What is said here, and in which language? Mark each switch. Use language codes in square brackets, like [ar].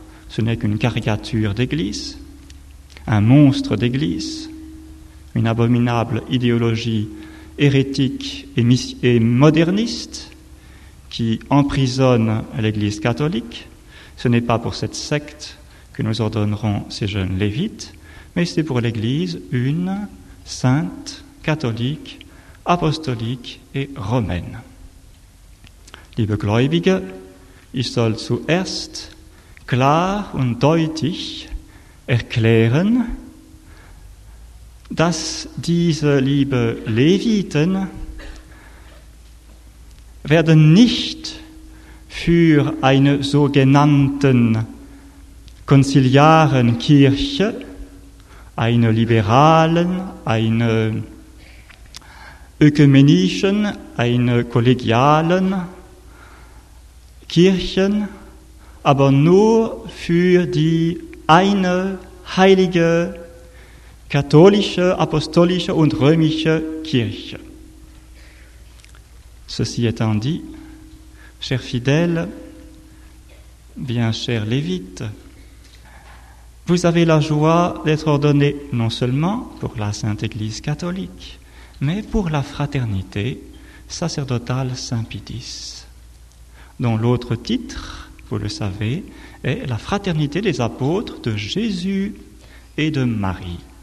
[fr] Ce n'est qu'une caricature d'Église, un monstre d'Église, une abominable idéologie hérétique et moderniste qui emprisonne l'Église catholique. Ce n'est pas pour cette secte que nous ordonnerons ces jeunes lévites, mais c'est pour l'Église une sainte, catholique, apostolique et romaine. [de] Liebe Gläubige, ich soll zuerst klar und deutlich erklären, dass diese liebe Leviten werden nicht für eine sogenannten konziliaren Kirche, eine liberalen, eine ökumenischen, eine kollegialen Kirchen, aber nur für die eine heilige katholische, apostolische und römische Kirche. [fr] Ceci étant dit, chers fidèles, bien chers lévites, vous avez la joie d'être ordonnés non seulement pour la Sainte Église catholique, mais pour la fraternité sacerdotale Saint-Pidis, dont l'autre titre, vous le savez, est la fraternité des apôtres de Jésus et de Marie.